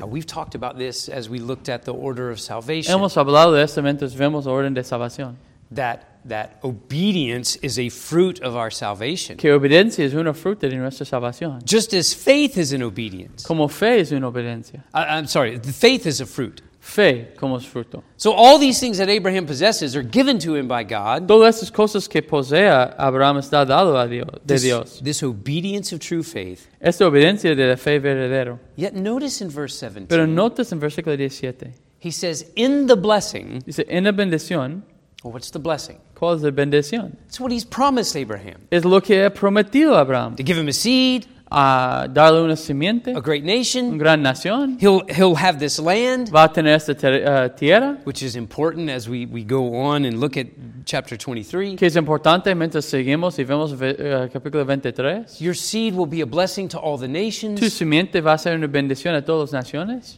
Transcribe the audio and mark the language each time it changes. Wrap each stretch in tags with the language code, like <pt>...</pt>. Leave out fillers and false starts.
<en>Now, we've talked about this as we looked at the order of salvation.</en> <es>Hemos hablado de esto mientras vemos la orden de salvación.</es> <en>That obedience is a fruit of our salvation.</en> <es>Que obediencia es una fruta de nuestra salvación.</es> <en>Just as faith is an obedience.</en> <es>Como fe es una obediencia.</es> <en>I'm sorry, the faith is a fruit.</en> <es>Fe como es fruto.</es> <en>So all these things that Abraham possesses are given to him by God.</en> <es>Todas estas cosas que posee Abraham está dado a Dios, de Dios.</es> <en>This obedience of true faith.</en> <es>Esta obediencia de la fe verdadero.</es> <en>Yet notice in verse 17.</en> <es>Pero notas en versículo 17.</es> <en>He says, in the blessing.</en> <es>Dice, en la bendición.</es> <en>Well, what's the blessing?</en> <es>¿Cuál es la bendición?</es> <en>It's what he's promised Abraham.</en> <es>Es lo que ha prometido Abraham.</es> <en>To give him a seed.</en> <es>A darle una simiente.</es> <en>A great nation.</en> <es>Una gran nación.</es> <en>He'll have this land.</en> <es>Va a tener esta tierra.</es> <en>Which is important as we go on and look at chapter 23.</en> <es>Que es importante mientras seguimos y vemos capítulo 23.</es> <en>Your seed will be a blessing to all the nations.</en> <es>Tu simiente va a ser una bendición a todas las naciones.</es>